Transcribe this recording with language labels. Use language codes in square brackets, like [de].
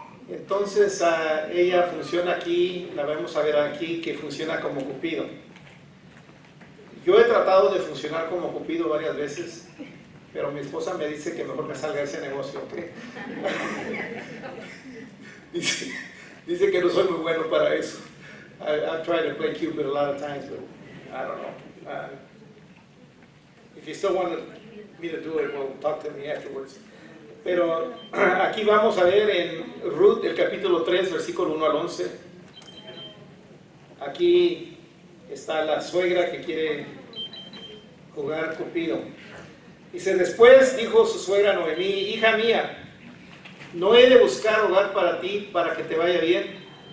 [es] Entonces ella funciona aquí, la vamos a ver aquí, que funciona como Cupido. Yo he tratado de funcionar como Cupido varias veces, pero mi esposa me dice que mejor me salga ese negocio, ¿ok? dice que no soy muy bueno para eso. [en] I've tried to play Cupid a lot of times, but I don't know. If you still want me to do it, well, talk to me afterwards. [es] Pero aquí vamos a ver en Ruth, el capítulo 3, versículo 1 al 11. Aquí está la suegra que quiere jugar Cupido. Dice, después dijo su suegra Noemí, hija mía, no he de buscar hogar para ti, para que te vaya bien.